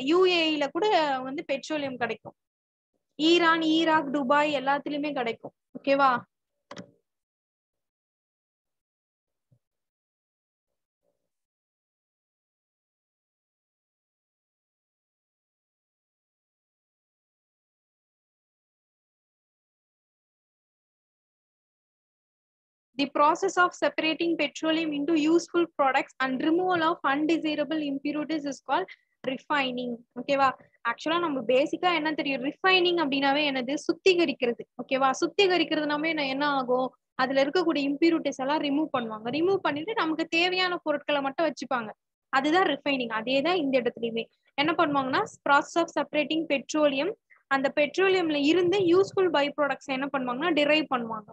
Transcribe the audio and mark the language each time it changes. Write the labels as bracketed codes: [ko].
[ta] யுஏஇல கூட வந்து பெட்ரோலியம் கிடைக்கும், ஈரான், ஈராக், துபாய் எல்லாத்துலயுமே கிடைக்கும். [en] ஓகேவா, the process of separating petroleum into useful products and removal of undesirable impurities is called refining. [ta] okayva actually நம்ம பேசிக்கா என்ன தெரியும், refining அப்படினாவே என்னது, சுத்திகரிக்கிறது. okayva சுத்திகரிக்கிறதுனாவே என்ன ஆகும், அதுல இருக்கக்கூடிய impurities எல்லாம் ரிமூவ் பண்ணுவாங்க, ரிமூவ் பண்ணிட்டு நமக்கு தேவையான பொருட்களை மட்டும் வச்சுப்பாங்க, அதுதான் refining. அதேதான் இந்த இடத்துலயுமே என்ன பண்ணுவாங்கன்னா [en] process of separating petroleum, [ta] அந்த பெட்ரோலியம்ல இருந்து யூஸ்ஃபுல் பை ப்ராடக்ட்ஸ் என்ன பண்ணுவாங்கன்னா டிரைவ் பண்ணுவாங்க.